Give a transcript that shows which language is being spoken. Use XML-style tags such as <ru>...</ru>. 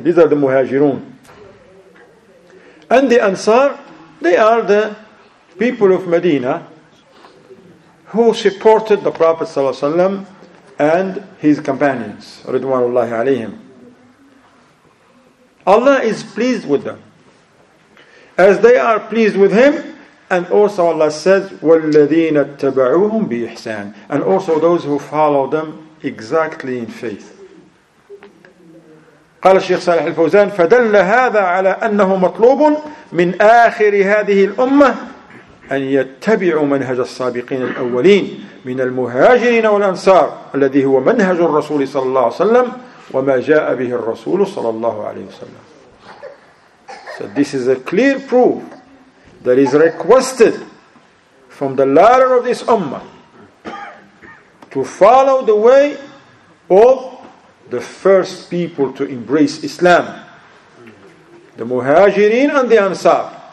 <en>These are the Muhajirun. And the Ansar, they are the people of Medina who supported the Prophet ﷺ and his companions, Ridwanullahi alayhim. Allah is pleased with them. As they are pleased with him, And also Allah says,</en> <ar>وَالَّذِينَ اتَّبَعُوهُمْ بِإِحْسَانٍ.</ar> <en>And also those who follow them exactly in faith.</en> <ar>قال الشيخ صالح الفوزان فدل هذا على أنه مطلوب من آخر هذه الأمة أن يتبعوا منهج السابقين الأولين من المهاجرين والأنصار الذي هو منهج الرسول صلى الله عليه وسلم وما جاء به الرسول صلى الله عليه وسلم.</ar> <en>So this is a clear proof that is requested from the latter of this ummah to follow the way of the first people to embrace Islam, the muhajirin and the ansar,</en>